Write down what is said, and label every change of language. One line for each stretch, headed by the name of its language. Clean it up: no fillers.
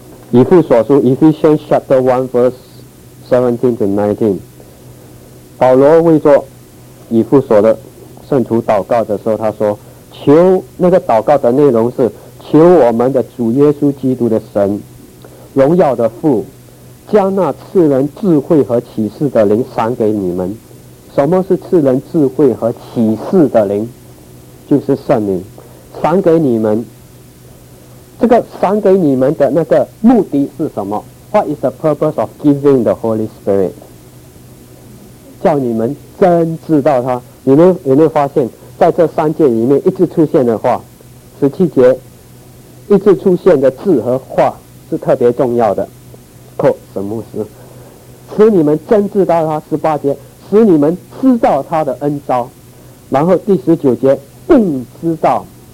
Chinese: 以弗所书
English: Ephesians chapter 1 verse 17-19，
Chinese: 保罗为着以弗所的圣徒祷告的时候，他说求，那个祷告的内容是求我们的主耶稣基督的神，荣耀的父，将那赐人智慧和启示的灵赏给你们。什么是赐人智慧和启示的灵？就是圣灵赏给你们。这个赏给你们的那个目的是什么？
English: What is the purpose of giving the Holy Spirit?
Chinese: 叫你们真知道他。你们有没有发现在这三节里面一直出现的话，十七节一直出现的字和话是特别重要的，沈牧师，使你们真知道他，18节，使你们知道他的恩召，然后第19节，并知道